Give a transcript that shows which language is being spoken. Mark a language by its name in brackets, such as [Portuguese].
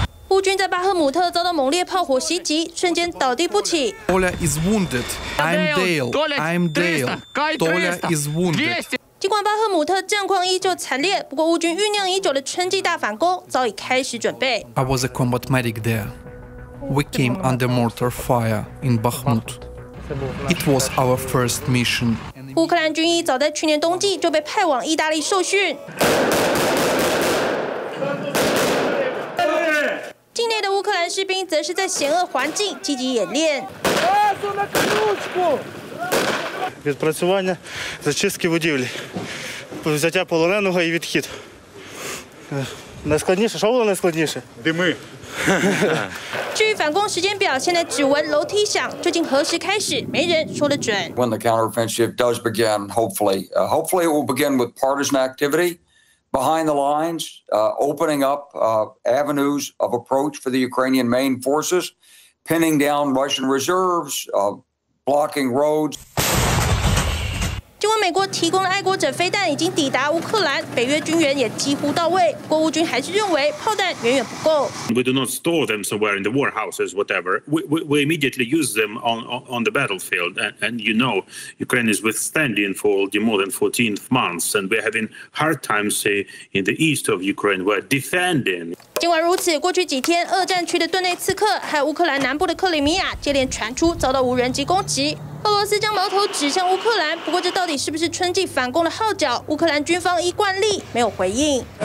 [Chinese] 乌军在巴赫姆特遭到猛烈炮火袭击，瞬间倒地不起。 [English] Dolia is wounded. I'm Dale. Dolia is wounded. [Chinese] 尽管巴赫姆特战况依旧惨烈，不过乌军酝酿已久的春季大反攻早已开始准备。 [English] I was a combat medic there. We came under mortar fire in Bakhmut. It was our first mission. [Chinese] 乌克兰军医早在去年冬季就被派往意大利受训。境内的乌克兰士兵则是在险恶环境积极演练。 [Ukrainian] Відпрацювання зачистки будівлі, взяття полоненого і відхід. Найскладніше, що було найскладніше? Дими. [Chinese] 至于反攻时间表，现在只闻楼梯响，究竟何时开始，没人说得准。 [English] When the counteroffensive does begin, hopefully it will begin with partisan activity. Behind the lines, opening up avenues of approach for the Ukrainian main forces, pinning down Russian reserves, blocking roads. [Chinese] 尽管美国提供的爱国者飞弹已经抵达乌克兰，北约军援也几乎到位，不过乌军还是认为炮弹远远不够。 [English] We do not store them somewhere in the warehouses, whatever. We immediately use them on the battlefield. And you know, Ukraine is withstanding for more than 14 months, and we're having hard times in the east of Ukraine. We're defending. [Chinese] 尽管如此，过去几天，俄战区的顿内茨克还有乌克兰南部的克里米亚接连传出遭到无人机攻击。俄罗斯将矛头指向乌克兰，不过这到底是不是春季反攻的号角？乌克兰军方依惯例没有回应。